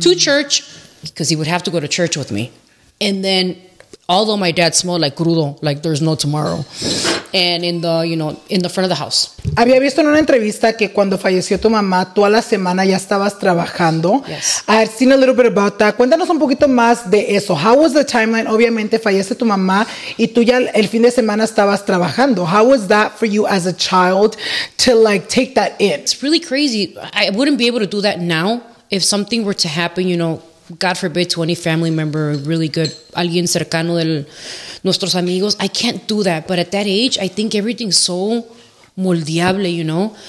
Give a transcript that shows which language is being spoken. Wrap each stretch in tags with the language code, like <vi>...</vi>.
<en>To church, because he would have to go to church with me. And then, although my dad smelled like crudo, like there's no tomorrow. And in the front of the house.</en> <es>Había visto en una entrevista que cuando falleció tu mamá, toda la semana ya estabas trabajando.</es> <en>Yes. I've seen a little bit about that.</en> <es>Cuéntanos un poquito más de eso.</es> <en>How was the timeline?</en> <es>Obviamente fallece tu mamá y tú ya el fin de semana estabas trabajando.</es> <en>How was that for you as a child to like take that in? It's really crazy. I wouldn't be able to do that now if something were to happen, you know, God forbid, to any family member, really good,</en> <es>alguien cercano de nuestros amigos.</es> <en>I can't do that. But at that age, I think everything's so moldeable, you know.</en>